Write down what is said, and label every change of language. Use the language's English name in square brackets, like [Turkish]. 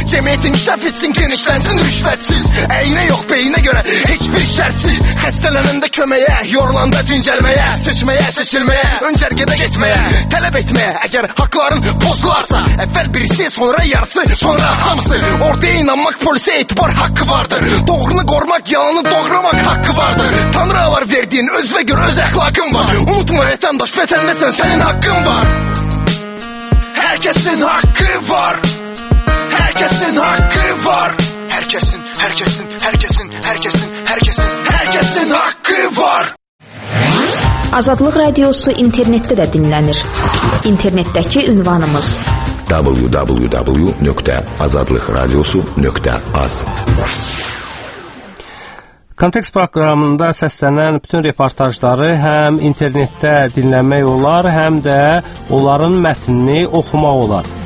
[Azerbaijani] Cəmiyyət inkişaf etsin, genişlənsin rüşvətsiz. Əyinə yox, beyinə görə heç bir şərtsiz. Xəstələnəndə köməyə, yorulanda dincəlməyə, seçməyə, seçilməyə, öncərgədə getməyə, tələb etməyə. Əgər haqların pozularsa, əvvəl birisi, sonra yarısı, sonra hamısı. [Turkish] Ortaya inanmak polise itibar hakkı vardır. Doğrunu korumak, yalanı doğramak hakkı vardır. Tanrı'ya var verdiğin öz ve göre öz ahlakın var. Unutma vatandaş, vatandaşsan senin hakkın var. Herkesin hakkı var. Herkesin hakkı var. Herkesin, herkesin, herkesin, herkesin, herkesin, herkesin hakkı var. [Azerbaijani] Azadlıq Radiosu internetdə də dinlənir. İnternetdəki ünvanımız www.azadlıqradiosu.az. Kontekst proqramında səslənən bütün reportajları həm internetdə dinləmək olar, həm də onların mətnini oxumaq olar.